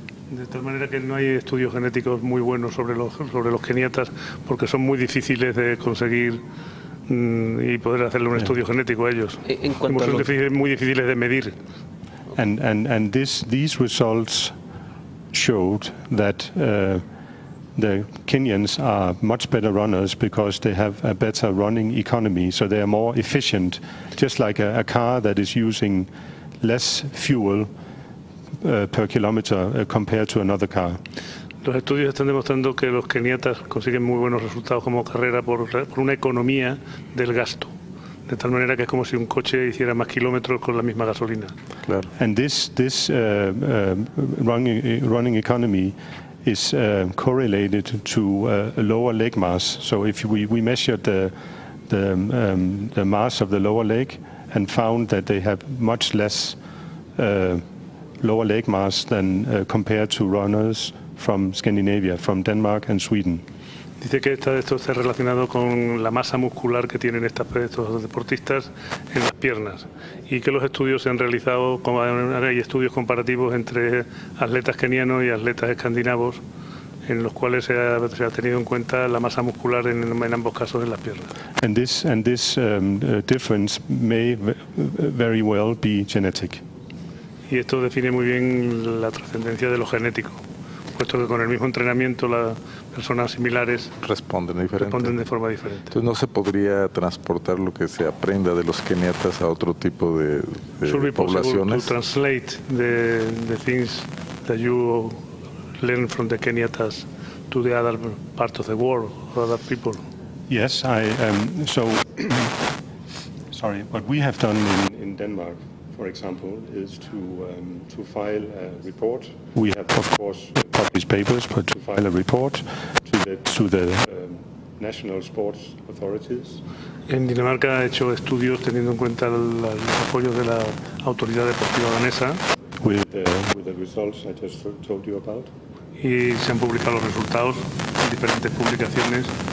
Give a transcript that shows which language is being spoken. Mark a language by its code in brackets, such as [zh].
[es] De tal manera que no hay estudios genéticos muy buenos sobre los keniatas, porque son muy difíciles de conseguir y poder hacerle un estudio genético a ellos. Son muy difíciles de medir. [en] And these results showed that the Kenyans are much better runners because they have a better running economy, so they are more efficient, just like a car that is using less fuel per kilometer compared to another car. [es] Los estudios están demostrando que los keniatas consiguen muy buenos resultados como carrera por una economía del gasto, de tal manera que es como si un coche hiciera más kilómetros con la misma gasolina. Claro. [en] And this running economy is correlated to lower leg mass. So if we measured the mass of the lower leg and found that they have much less lower leg mass than compared to runners from Scandinavia, from Denmark and Sweden. [es] Dice que esto está relacionado con la masa muscular que tienen estos deportistas en las piernas, y que los estudios se han realizado, hay estudios comparativos entre atletas kenianos y atletas escandinavos, en los cuales se ha tenido en cuenta la masa muscular en ambos casos en las piernas. [en] And this difference may very well be genetic. [es] Y esto define muy bien la trascendencia de lo genético, puesto que con el mismo entrenamiento las personas similares responden de forma diferente. Entonces, ¿no se podría transportar lo que se aprenda de los keniatas a otro tipo de poblaciones? [en] To translate the things that you learn from the keniatas to the other parts of the world or other people. Yes, what we have done in Denmark, for example, is to file a report. We have, of course, published papers, but to file a report to the national sports authorities. [es] En Dinamarca ha hecho estudios teniendo en cuenta los apoyos de la autoridad deportiva danesa. [en] With the results I just told you about. [es] Y se han publicado los resultados en diferentes publicaciones.